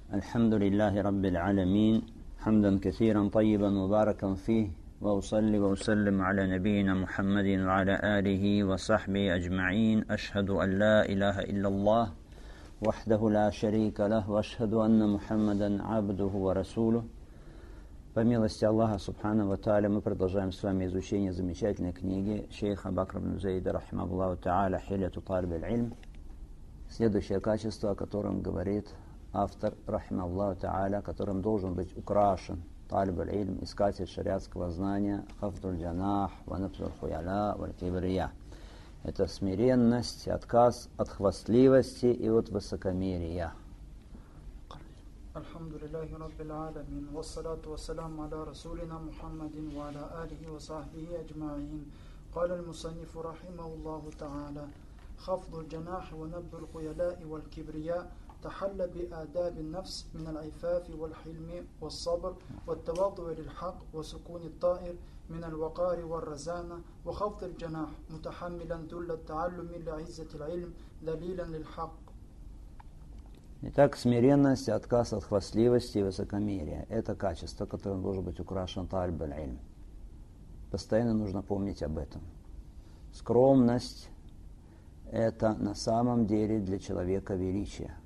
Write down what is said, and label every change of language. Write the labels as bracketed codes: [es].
[ar] الحمد لله رب العالمين، حمدا كثيرا طيبا مباركا فيه، وأصلي وأسلم على نبينا محمد وعلى آله وصحبه أجمعين. أشهد أن لا إله إلا الله وحده لا شريك له، وأشهد أن محمدا عبده ورسوله. [ru] По милости Аллаха Субхана ва Тааля мы продолжаем с вами изучение замечательной книги шейха Бакра ибн Зайда рахимаху Тааля «Хилату талиб аль-Ильм». Следующее качество, о котором говорит автор рахимаху Тааля, которым должен быть украшен талиб аль-Ильм, искатель шариатского знания, [ar] хафдуль джанах ва нафсуль хуяла валь кибрия. [ru] Это смиренность, отказ от хвастливости и от высокомерия. [ar] الحمد لله رب العالمين والصلاة والسلام على رسولنا محمد وعلى آله وصحبه أجمعين. قال المصنف رحمه الله تعالى: خفض الجناح ونب الخيلاء والكبرياء تحل بآداب النفس من العفاف والحلم والصبر والتواضع للحق وسكون الطائر من الوقار والرزانة، وخفض الجناح متحملا ذل التعلم لعزة العلم دليلا للحق. [ru] Итак, смиренность, отказ от хвастливости и высокомерия – это качество, которым должен быть украшен талиб аль-Ильм. Постоянно нужно помнить об этом. Скромность – это на самом деле для человека величие.